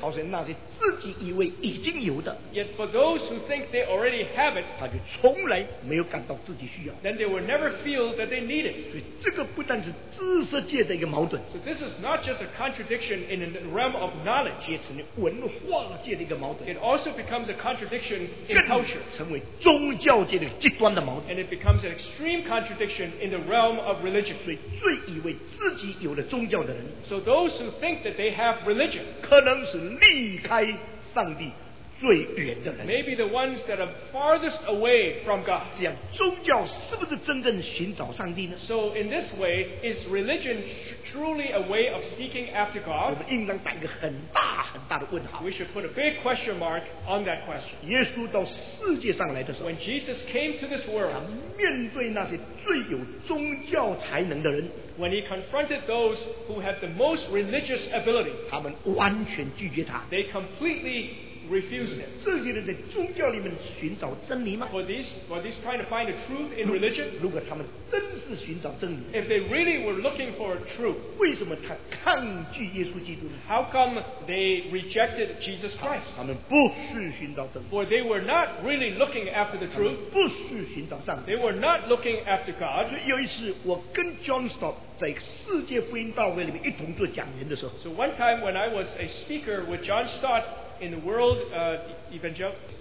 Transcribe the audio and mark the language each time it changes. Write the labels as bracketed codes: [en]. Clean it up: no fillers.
[zh] 好像那些自己以为已经有的。 [en] Yet for those who think they already have it, [zh] 他就从来没有感到自己需要。 [en] Then they will never feel that they need it. [zh] 所以这个不但是知识界的一个矛盾。 [en] So this is not just a contradiction in the realm of knowledge. [zh] 也成了文化界的一个矛盾。 [en] It also becomes a contradiction in culture. [zh] 更成为宗教界的极端的矛盾。 [en] And it becomes an extreme contradiction in the realm of religion. [zh] 所以最以为自己有了宗教的人， [en] so those who think that they have religion, [zh] 可能是离开上帝最远的人。 [en] Maybe the ones that are farthest away from God. [zh] 这样宗教是不是真正寻找上帝呢？ [en] So in this way, is religion truly a way of seeking after God? [zh] 我们应当打一个很大很大的问号。 [en] We should put a big question mark on that question. [zh] 耶稣到世界上来的时候， [en] When Jesus came to this world, [zh] 他面对那些最有宗教才能的人。 [en] When he confronted those who had the most religious ability, [zh] 他们完全拒绝他。 [en] They completely refused him. [zh] 这些人在宗教里面寻找真理吗？ [en] For these trying to find the truth in religion, [zh] 如果他们真是寻找真理， [en] if they really were looking for truth, [zh] 为什么他抗拒耶稣基督呢？ [en] How come they rejected Jesus Christ? [zh] 他们不是寻找真理。 [en] For they were not really looking after the truth. [zh] 他们不是寻找上帝。 [en] They were not looking after God. [zh] 有一次我跟 John Stott在世界福音大会里面一同做讲员的时候， [en] So one time when I was a speaker with John Stott in the world evangelical